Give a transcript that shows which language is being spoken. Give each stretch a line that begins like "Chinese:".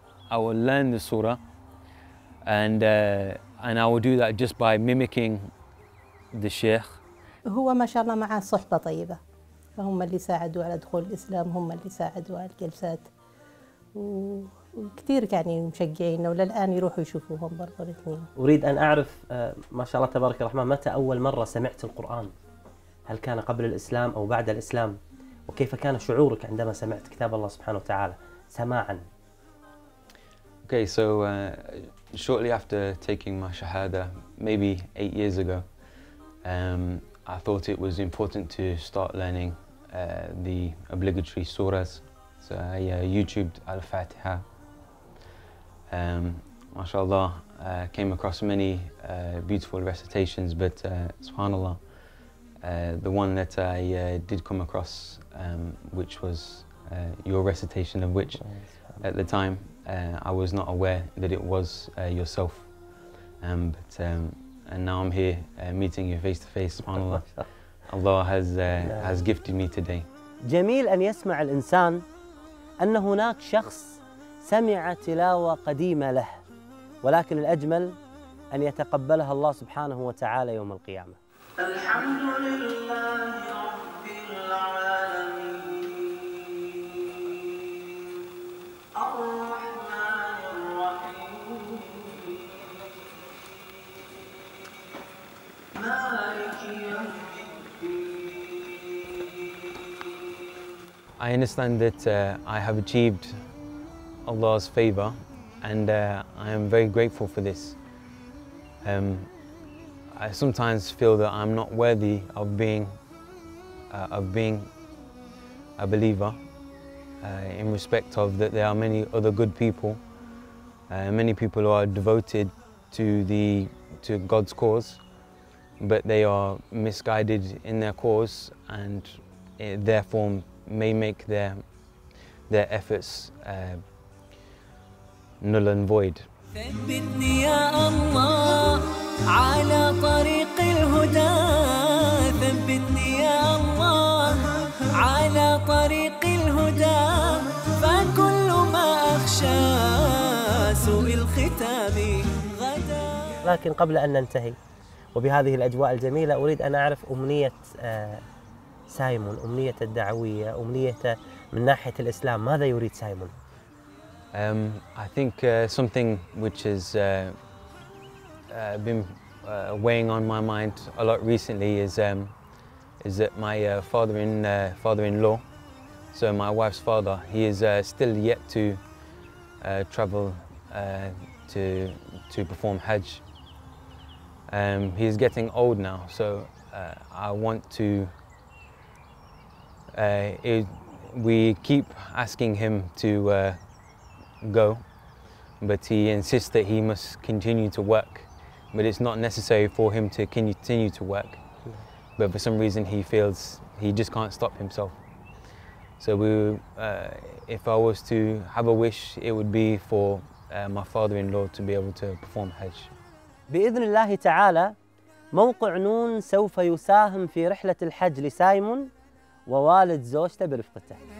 English: I will learn the surah, and I will do that just by mimicking the Sheikh.
Arabic: هو ما شاء الله معه صحبة طيبة، هم اللي ساعدوا على دخول الإسلام، هم اللي ساعدوا على الجلسات، وكثير يعني مشجعين، وللآن يروحوا يشوفوهم برضو الاثنين. أريد أن أعرف ما شاء الله تبارك الرحمن، متى أول مرة سمعت القرآن؟ هل كان قبل الإسلام أو بعد الإسلام؟ وكيف كان شعورك عندما سمعت كتاب الله سبحانه وتعالى سماعاً؟
English: Okay, so shortly after taking my shahada, maybe 8 years ago, I thought it was important to start learning the obligatory surahs. So I YouTubed Al-Fatiha. MashaAllah, came across many beautiful recitations, but SubhanAllah, the one that I did come across, which was your recitation of which, at the time, I was not aware that it was yourself. And now I'm here meeting you face to face, SubhanAllah. Allah has gifted me today.
Arabic: جميل أن يسمع الإنسان أن هناك شخص سمع تلاوة قديمة له، ولكن الأجمل أن يتقبلها الله سبحانه وتعالى يوم القيامة. الحمد لله رب العالمين، الرحمن الرحيم، مالك يوم الدين.
English: I understand that I have achieved Allah's favor, and I am very grateful for this. I sometimes feel that I'm not worthy of being a believer in respect of that there are many other good people, many people who are devoted to God's cause, but they are misguided in their cause and it therefore may make their efforts null and void.
Arabic: ثبتني يا الله على طريق الهدى ثبتني يا الله على طريق الهدى فكل ما أخشى سوء الختام غدا. لكن قبل أن ننتهي وبهذه الأجواء الجميلة أريد أن أعرف أمنية سايمون, أمنية الدعوية, أمنية من ناحية الإسلام, ماذا يريد سايمون؟
English: I think something which has been weighing on my mind a lot recently is that my father-in-law, so my wife's father, he is still yet to travel to perform Hajj. He is getting old now, so I want to. We keep asking him to. Go, but he insists that he must continue to work, but it's not necessary for him to continue to work, but for some reason he feels he just can't stop himself. So we, if I was to have a wish, it would be for my father-in-law to be able to perform Hajj.
Arabic: بإذن الله تعالى موقع نون سوف يساهم في رحلة الحج لسايمون ووالد زوجته برفقته.